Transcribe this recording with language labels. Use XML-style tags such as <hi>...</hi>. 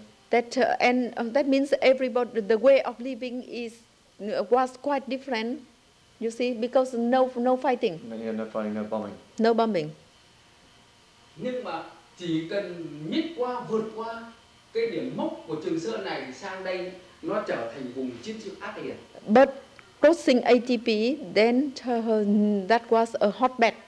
<en>That means everybody the way of living was quite different, you see, because no fighting. Yeah, no fighting, no bombing. No bombing.</en> <vi>Nhưng mà chỉ cần nhích qua vượt qua cái điểm mốc của Trường Sơn này sang đây nó trở thành vùng chiến sự ác liệt.</vi> <en>But crossing ATP, then that was a hotbed.</en>